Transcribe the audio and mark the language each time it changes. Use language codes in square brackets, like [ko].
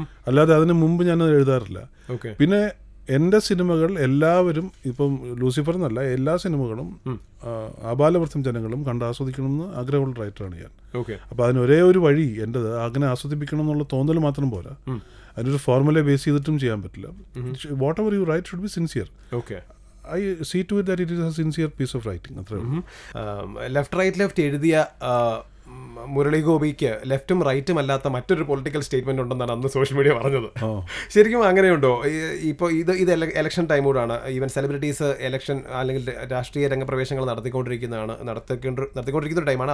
[ml] അല്ലാതെ അതിന് മുമ്പ് ഞാനത് എഴുതാറില്ല. പിന്നെ എൻ്റെ സിനിമകൾ എല്ലാവരും, ഇപ്പം ലൂസിഫർ എന്നല്ല, എല്ലാ സിനിമകളും അബാലവൃദ്ധം ജനങ്ങളും കണ്ട് ആസ്വദിക്കണമെന്ന് ആഗ്രഹമുള്ള റൈറ്ററാണ് ഞാൻ. ഓക്കെ, അപ്പം അതിനൊരേ ഒരു വഴി എൻ്റെ അങ്ങനെ ആസ്വദിപ്പിക്കണം എന്നുള്ള തോന്നൽ മാത്രം പോരാ, അതിനൊരു ഫോർമുല ബേസ് ചെയ്തിട്ടും ചെയ്യാൻ പറ്റില്ല. [en] Whatever you write should be sincere. [ml] Okay, [en] I see to it that it is a sincere piece of writing. [ml] Left, right, left എഴുതിയ മുരളി ഗോപിക്ക് ലെഫ്റ്റും റൈറ്റും അല്ലാത്ത മറ്റൊരു പൊളിറ്റിക്കൽ സ്റ്റേറ്റ്മെന്റ് ഉണ്ടെന്നാണ് അന്ന് സോഷ്യൽ മീഡിയ പറഞ്ഞത്. ശരിക്കും അങ്ങനെയുണ്ടോ? ഇപ്പോൾ ഇത് ഇത് ഇലക്ഷൻ ടൈം കൂടാണ്, ഈവൻ സെലിബ്രിറ്റീസ് ഇലക്ഷൻ അല്ലെങ്കിൽ രാഷ്ട്രീയ രംഗപ്രവേശങ്ങൾ നടത്തിക്കൊണ്ടിരിക്കുന്ന ടൈമാണ്.